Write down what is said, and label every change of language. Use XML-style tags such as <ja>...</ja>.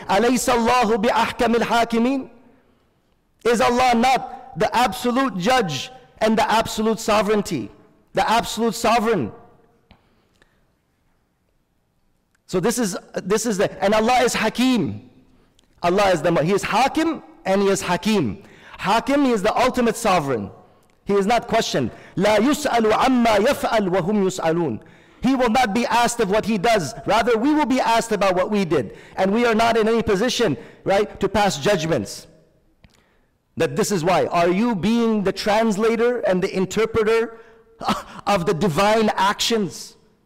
<ar>Alaysa Allahu bi ahkamil hakimin?</ar> <en>Is Allah not the absolute judge and the absolute sovereignty? The absolute sovereign. So this is the, and Allah is hakim. Allah is the, He is Hakim and He is Hakim. Hakim, He is the ultimate sovereign. He is not questioned.</en> <ar>لا يسأل عما يفعل وهم يسألون.</ar> <en>He will not be asked of what He does. Rather, we will be asked about what we did. And we are not in any position, right, to pass judgments. That this is why. Are you being the translator and the interpreter of the divine actions?</en>